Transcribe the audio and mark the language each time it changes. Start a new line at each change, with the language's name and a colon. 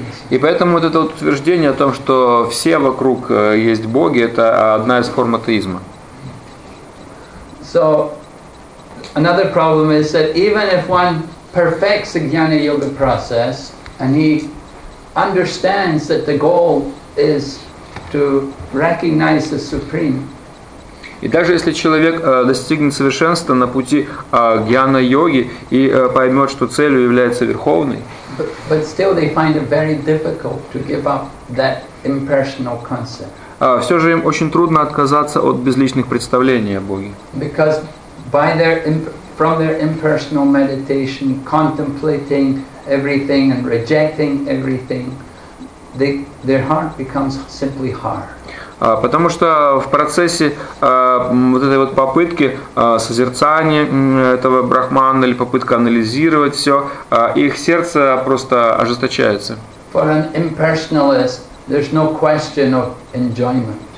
Russian: И поэтому вот это вот утверждение о том, что все вокруг есть боги, это одна из форм атеизма.
English: So another problem is that even if one perfects the jnana yoga process and he understands that the goal is to recognize the supreme.
Russian: И даже если человек достигнет совершенства на пути джняна йоги и поймет, что целью является верховный,
English: but still they find it very difficult to give up that impersonal concept.
Russian: Все же им очень трудно отказаться от безличных представлений о Боге.
English: Because by their from their impersonal meditation, contemplating everything and rejecting everything, their heart becomes simply hard.
Russian: Потому что в процессе вот этой вот попытки созерцания этого брахмана или попытка анализировать все, их сердце просто ожесточается.
English: For an impersonalist, there's no question of enjoyment.